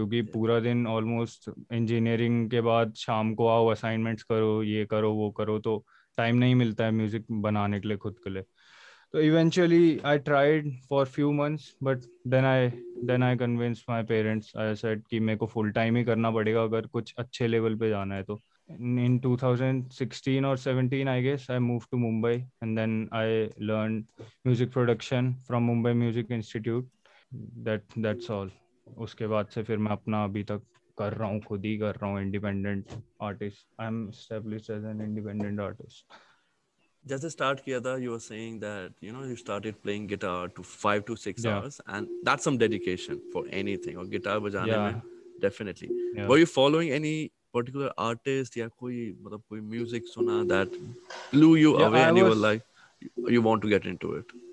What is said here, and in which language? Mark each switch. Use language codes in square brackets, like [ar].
[hi] क्योंकि पूरा दिन ऑलमोस्ट इंजीनियरिंग के बाद शाम को आओ, असाइनमेंट्स करो, ये करो, वो करो, तो टाइम नहीं मिलता है म्यूजिक बनाने के लिए खुद के लिए. [en] तो eventually I tried for few months, but then I convinced my parents. I said [hi] कि मेरे को फुल टाइम ही करना पड़ेगा अगर कुछ अच्छे लेवल पे जाना है. [en] तो in 2016 or 17 I guess I moved to Mumbai, and then I learned music production from Mumbai Music Institute. That's all. [hi] उसके बाद से फिर मैं अपना अभी तक कर रहा हूँ, खुद ही कर रहा हूँ, independent artist. [en] I'm established as an independent artist. [hi] Just start kiya tha, [en] you were saying that, you know, you started playing guitar to 5-6 hours, and that's some dedication for anything, or [hi] guitar bajane mein, [en] definitely. Yeah. Were you following any particular artist [hi] ya koi, matlab koi music suna [en] that blew you away, and you were like, you want to get into it?